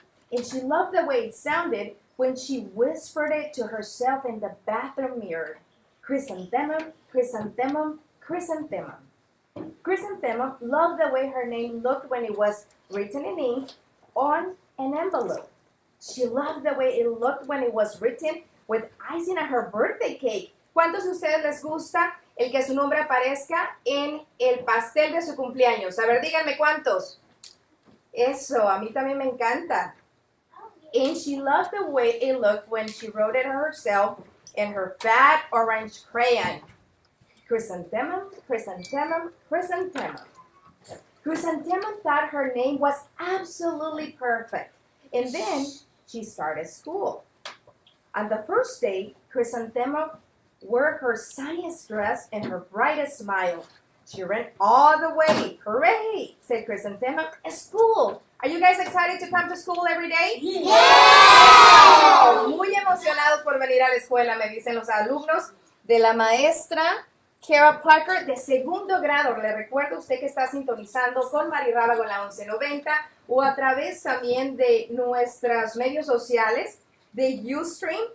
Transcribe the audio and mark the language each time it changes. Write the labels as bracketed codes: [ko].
[en] And she loved the way it sounded when she whispered it to herself in the bathroom mirror. Chrysanthemum, chrysanthemum, chrysanthemum. Chrysanthemum loved the way her name looked when it was written in ink on an envelope. She loved the way it looked when it was written with icing on her birthday cake. [es] ¿Cuántos de ustedes les gusta el que su nombre aparezca en el pastel de su cumpleaños? A ver, díganme cuántos. Eso, a mí también me encanta. [en] And she loved the way it looked when she wrote it herself in her fat orange crayon. Chrysanthemum, chrysanthemum, chrysanthemum. Chrysanthemum thought her name was absolutely perfect. And then she started school. On the first day, Chrysanthemum wore her shiniest dress and her brightest smile. She ran all the way. Hooray, said Chrysanthemum. School. Are you guys excited to come to school every day? Yeah! [es] Muy emocionados por venir a la escuela, me dicen los alumnos de la maestra Kara Parker de segundo grado. Le recuerdo a usted que está sintonizando con Mari Rábago en la 1190 o a través también de nuestros medios sociales de Ustream.